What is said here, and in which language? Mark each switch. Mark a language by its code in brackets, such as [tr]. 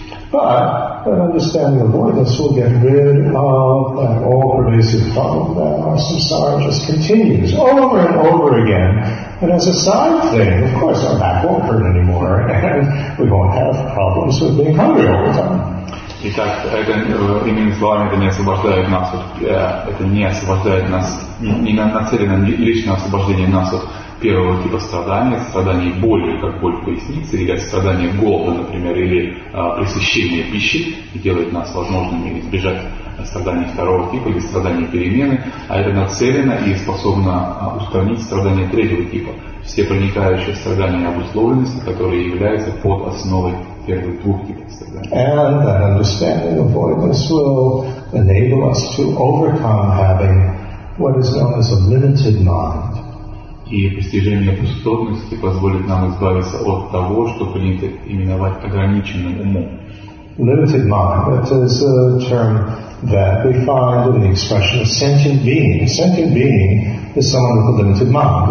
[en] But that understanding avoidance will get rid of that all-pervasive problem that our samsara just continues over and over again. And as a side thing, of course, our back won't hurt anymore, and we won't have problems with being hungry all the time. [ru] Итак, это, иными словами, это не освобождает нас, это не освобождает нас, не нацелено личное освобождение нас от первого типа страдания, страданий боли, как боль в пояснице, или страдания голода, например, или пресыщения пищи, и делает нас возможными избежать страданий второго типа или страданий перемены, а это нацелено и способно устранить страдания третьего типа, все проникающие страдания обусловленности, которые являются под основой первых двух типов страданий. [en] And that understanding of voidness will enable us to overcome having what is known as a limited mind. [ru] И постижение пустотности позволит нам избавиться от того, что принято именовать ограниченным умом. [en] Limited mind, that is a term that we find in the expression of sentient being. A sentient being is someone with a limited mind.